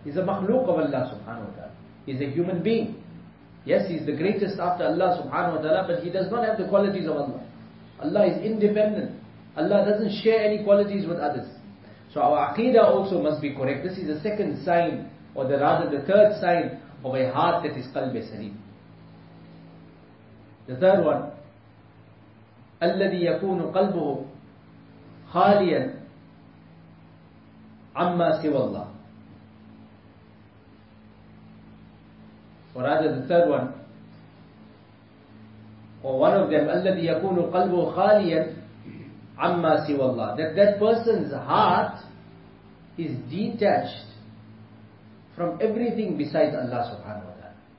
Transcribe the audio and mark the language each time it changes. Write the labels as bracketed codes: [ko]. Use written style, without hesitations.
[en] He's a makhluk of Allah subhanahu wa ta'ala. He's a human being. Yes, he is the greatest after Allah subhanahu wa ta'ala, but he does not have the qualities of Allah. Allah is independent. Allah doesn't share any qualities with others. So our aqeedah also must be correct. This is the second sign, or the third sign of a heart that is qalb-e sareem. The third one, [ar] الَّذِي يَكُونُ قَلْبُهُ خَالِيًا عَمَّا سِوَى اللَّهِ. [en] Or rather the third one, or one of them, [ar] الَّذِي يَكُونُ قَلْبُهُ خَالِيًا عَمَّا سِوَى اللَّهِ, [en] that person's heart is detached from everything besides Allah subhanahu wa ta'ala.